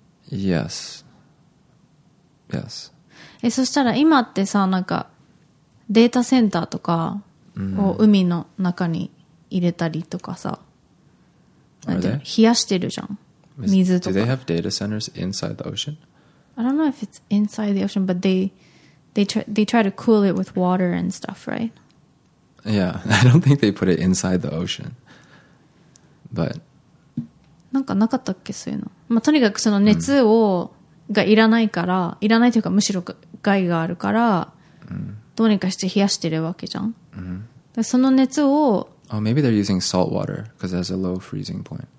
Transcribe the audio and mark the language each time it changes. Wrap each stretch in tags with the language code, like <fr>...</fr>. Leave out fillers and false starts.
<en>Yes. Yes.</en> <ja>え、そしたら今ってさ、なんかデータセンターとかを海の中に入れたりとかさ、なんて冷やしてるじゃん、水とか。</ja> <en>Do they have data centers inside the ocean? I don't know if it's inside the ocean, but they try to cool it with water and stuff, right? Yeah, I don't think they put it inside the ocean. But</en> <ja>なんかなかったっけ、そういうの。まあ、とにかくその熱を、がいらないから、いらないというかむしろ害があるから、どうにかして冷やしてるわけじゃん。で、その熱を、</ja> <en>Oh, maybe they're using salt water because it has a low freezing point.</en>